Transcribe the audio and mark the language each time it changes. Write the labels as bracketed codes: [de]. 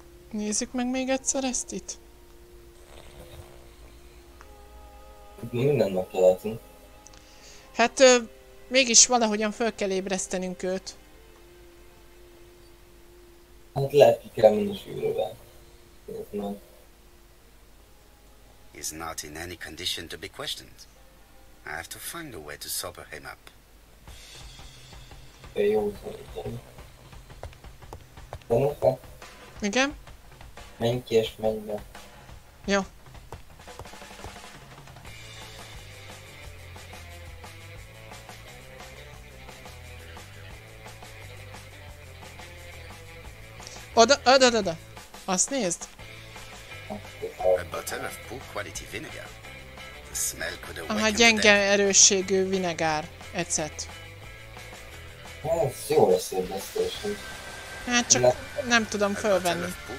[hu] Nézzük meg még egyszer ezt itt. Minden nap találtunk. Hát, mégis valahogyan fel kell ébresztenünk őt. Hát lehet, ki kell menni sűrűvel. [en] He's not in any condition to be questioned. I have to find a way to sober him up. [hu] Jó, szerintem. Tanulta? Igen. Menj ki és menj be. Jó. Oda. Azt nézd. [en] A bottle of poor quality vinegar. The smell could awaken. [hu] Aha, gyenge erősségű vinegár. Ecet. Ez jó lesz érdeztésünk. Hát csak nem tudom fölvenni.